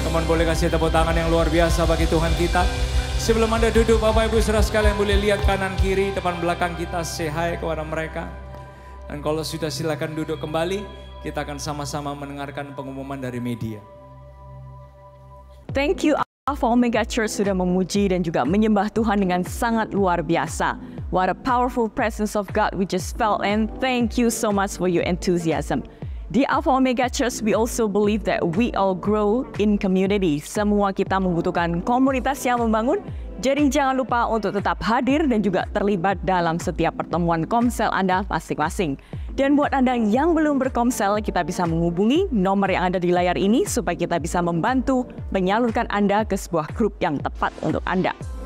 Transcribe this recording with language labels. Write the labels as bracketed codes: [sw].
[id] Kemudian boleh kasih tepuk tangan yang luar biasa bagi Tuhan kita. Sebelum Anda duduk, Bapak Ibu saudara sekalian boleh lihat kanan-kiri, depan belakang kita, [en] say hi [id] kepada mereka. Dan kalau sudah silakan duduk kembali, kita akan sama-sama mendengarkan pengumuman dari media. [en] Thank you [id] Alpha Omega Church sudah memuji dan juga menyembah Tuhan dengan sangat luar biasa. [en] What a powerful presence of God we just felt, and thank you so much for your enthusiasm. Di Alpha Omega Church, we also believe that we all grow in community. [id] Semua kita membutuhkan komunitas yang membangun. Jadi jangan lupa untuk tetap hadir dan juga terlibat dalam setiap pertemuan komsel Anda masing-masing. Dan buat Anda yang belum berkomsel, kita bisa menghubungi nomor yang ada di layar ini supaya kita bisa membantu menyalurkan Anda ke sebuah grup yang tepat untuk Anda.